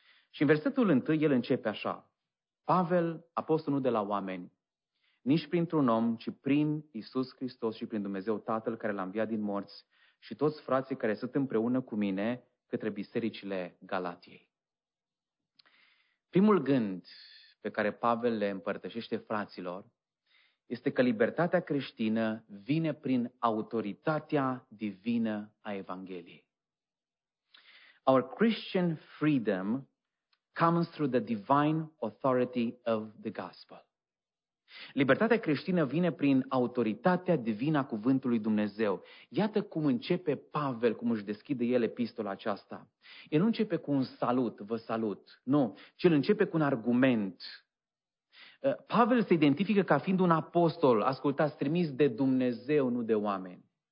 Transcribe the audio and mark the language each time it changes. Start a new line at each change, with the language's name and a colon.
Romanian: Și în versetul 1 el începe așa. Pavel, apostolul nu de la oameni, nici printr-un om, ci prin Iisus Hristos și prin Dumnezeu Tatăl care l-a înviat din morți și toți frații care sunt împreună cu mine către bisericile Galatiei. Primul gând pe care Pavel le împărtășește fraților este că libertatea creștină vine prin autoritatea divină a Evangheliei.
English: Our Christian freedom comes through the divine authority of the gospel.
Romanian: Libertatea creștină vine prin autoritatea divină a cuvântului Dumnezeu. Iată cum începe Pavel, cum își deschide el epistola aceasta. El nu începe cu un salut, vă salut, nu, ci el începe cu un argument. Pavel se identifică ca fiind un apostol, ascultați, trimis de Dumnezeu, nu de oameni.